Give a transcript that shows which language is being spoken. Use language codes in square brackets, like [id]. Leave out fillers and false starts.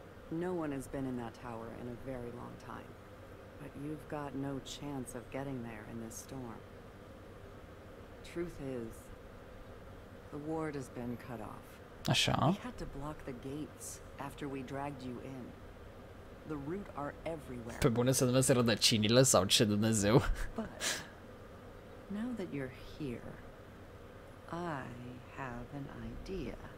[en] No one has been in that tower in a very long time. But you've got no chance of getting there in this storm. Truth is, the ward has been cut off. [ro] Așa. [en] We had to block the gates after we dragged you in. The root are everywhere. [ro] Pe bune, se numesc rădăcinile sau ce Dumnezeu? [en] But now that you're here, I have an idea.